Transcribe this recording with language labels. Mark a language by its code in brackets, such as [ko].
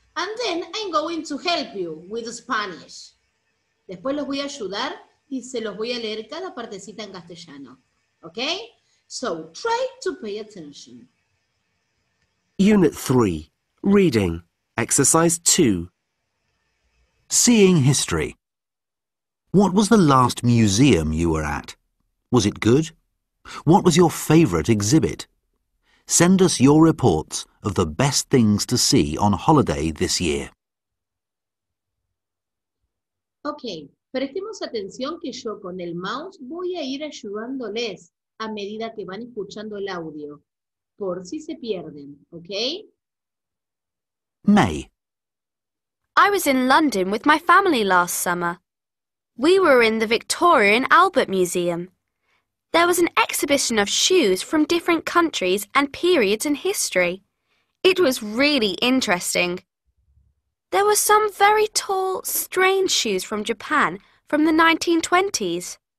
[en] And then I'm going to help you with Spanish. [es] Después los voy a ayudar y se los voy a leer cada partecita en castellano. [en] Okay? So, try to pay attention. Unit 3. Reading. Exercise 2. Seeing history. What was the last museum you were at? Was it good? What was your favourite exhibit? Send us your reports of the best things to see on holiday this year. [es] Okay, prestemos atención que yo con el mouse voy a ir ayudándoles a medida que van escuchando el audio, por si se pierden, okay? [en] May. I was in London with my family last summer. We were in the Victoria and Albert Museum. There was an exhibition of shoes from different countries and periods in history. It was really interesting. There were some very tall, strange shoes from Japan from the 1920s.